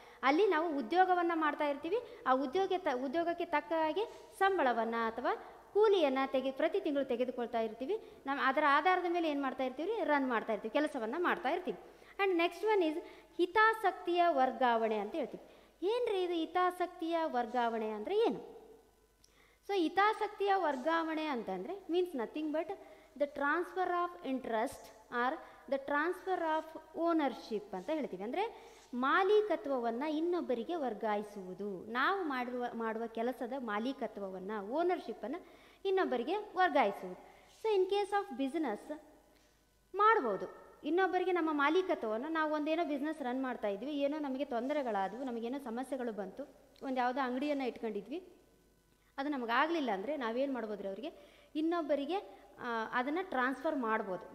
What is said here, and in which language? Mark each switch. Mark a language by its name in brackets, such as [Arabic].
[Kannada] ಅಲ್ಲಿ ನಾವು ಉದ್ಯೋಗವನ್ನು ಮಾಡ್ತಾ ಇರ್ತೀವಿ, ಆ ಉದ್ಯೋಗಕ್ಕೆ ತಕ್ಕ ಹಾಗೆ ಸಂಬಳವನ್ನು ಅಥವಾ ಕೂಲಿಯನ್ನು ಪ್ರತಿ ತಿಂಗಳು ತೆಗೆದುಕೊಳ್ತಾ ಇರ್ತೀವಿ. ನಮ್ಮ ಅದರ ಆಧಾರದ ಮೇಲೆ ಏನು ಮಾಡ್ತಾ ಇರ್ತೀವಿ, ರನ್ ಮಾಡ್ತಾ ಇರ್ತೀವಿ, ಕೆಲಸವನ್ನು ಮಾಡ್ತಾ ಇರ್ತೀವಿ. [English] and next one is [Kannada] ಹಿತಾಸಕ್ತಿಯ ವರ್ಗಾವಣೆ ಅಂತ ಹೇಳ್ತೀವಿ. ಏನ್ರಿ ಇದು ಹಿತಾಸಕ್ತಿಯ ವರ್ಗಾವಣೆ ಅಂದರೆ ಏನು? ಸೊ ಹಿತಾಸಕ್ತಿಯ ವರ್ಗಾವಣೆ ಅಂತಂದರೆ [English] means nothing but the transfer of interest or the transfer of ownership [Kannada] ಅಂತ ಹೇಳ್ತೀವಿ. ಅಂದರೆ ಮಾಲೀಕತ್ವವನ್ನು ಇನ್ನೊಬ್ಬರಿಗೆ ವರ್ಗಾಯಿಸುವುದು, ನಾವು ಮಾಡುವ ಕೆಲಸದ ಮಾಲೀಕತ್ವವನ್ನು, ಓನರ್ಶಿಪ್ಪನ್ನು ಇನ್ನೊಬ್ಬರಿಗೆ ವರ್ಗಾಯಿಸುವುದು. [English] so in case of business [Kannada] ಮಾಡ್ಬೋದು, ಇನ್ನೊಬ್ಬರಿಗೆ ನಮ್ಮ ಮಾಲೀಕತ್ವವನ್ನು. ನಾವು ಒಂದೇನೋ ಬಿಸ್ನೆಸ್ ರನ್ ಮಾಡ್ತಾ ಇದ್ವಿ, ಏನೋ ನಮಗೆ ತೊಂದರೆಗಳಾದವು, ನಮಗೇನೋ ಸಮಸ್ಯೆಗಳು ಬಂತು, ಒಂದು ಯಾವುದೋ ಅಂಗಡಿಯನ್ನು ಇಟ್ಕೊಂಡಿದ್ವಿ, ಅದು ನಮಗಾಗಲಿಲ್ಲ ಅಂದರೆ ನಾವೇನು ಮಾಡ್ಬೋದು ರೀ, ಅವರಿಗೆ ಇನ್ನೊಬ್ಬರಿಗೆ ಅದನ್ನು ಟ್ರಾನ್ಸ್ಫರ್ ಮಾಡ್ಬೋದು.